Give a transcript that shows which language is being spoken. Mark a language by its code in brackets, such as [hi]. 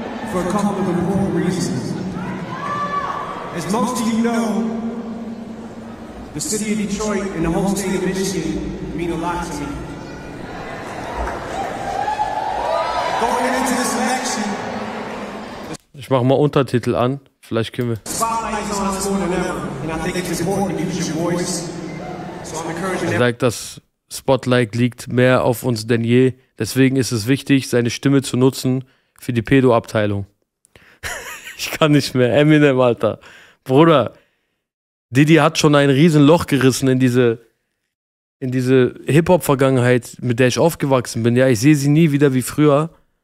[en] For a couple of important reasons. As most of you know, the city of Detroit and the whole state of Michigan mean a lot to me. Going into this election, [de] ich mach mal Untertitel an, vielleicht können wir. [en] Spotlight is on us more than ever, and I think it's important to use your voice. So I'm encouraging everyone. [de] Spotlight liegt mehr auf uns denn je. Deswegen ist es wichtig, seine Stimme zu nutzen für die Pedo-Abteilung. Ich kann nicht mehr. Eminem, Alter. Bruder, Diddy hat schon ein riesen Loch gerissen in diese Hip-Hop-Vergangenheit, mit der ich aufgewachsen bin. Ja, ich sehe sie nie wieder wie früher.